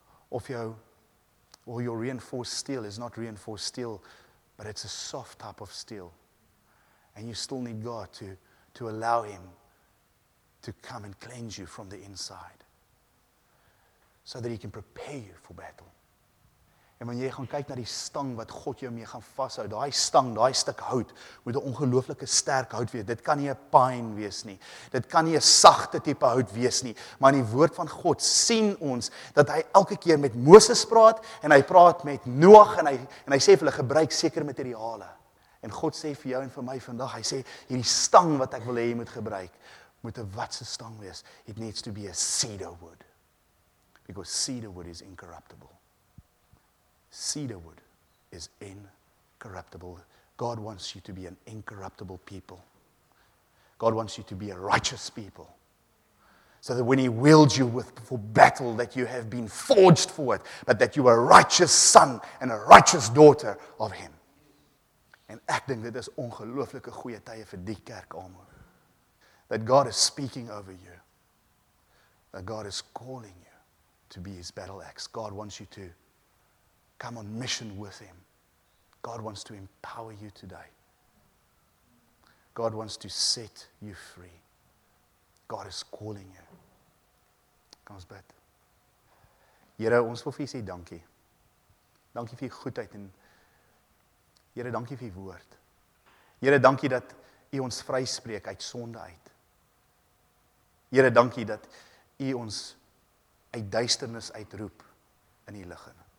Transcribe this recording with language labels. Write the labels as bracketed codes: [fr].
[af] Of jou [en] or your reinforced steel is not reinforced steel, but it's a soft type of steel. And you still need God to allow him to come and cleanse you from the inside. So that he can prepare you for battle. [af] En wanneer jy gaan kyk na die stang wat God jou mee gaan vashou, daai stang, daai stuk hout, moet 'n ongelooflike sterk hout wees. Dit kan nie 'n pine wees nie. Dit kan nie 'n sagte tipe hout wees nie. Maar in die woord van God sien ons dat hy elke keer met Moses praat en hy praat met Noag en hy sê vir hulle gebruik sekere materiale. En God sê vir jou en vir my vandag, hy sê hierdie stang wat ek wil hê jy moet gebruik, moet 'n watse stang wees. [en] It needs to be a cedar wood. Because cedarwood is incorruptible. Cedarwood is incorruptible. God wants you to be an incorruptible people. God wants you to be a righteous people. So that when he wields you for battle, that you have been forged for it, but that you are a righteous son and a righteous daughter of him. [af] En ek dink dit is ongelooflike goeie tye vir die kerk almal. [en] That God is speaking over you. That God is calling you. To be his battle axe. God wants you to come on mission with him. God wants to empower you today. God wants to set you free. God is calling you. [af] Kom ons bid. Here, ons wil vir u sê dankie. Dankie vir u goedheid en Here, dankie vir u woord. Here, dankie dat u ons vryspreek uit sonde uit. Here, dankie dat u ons uit duisternis uitroep in u lig in.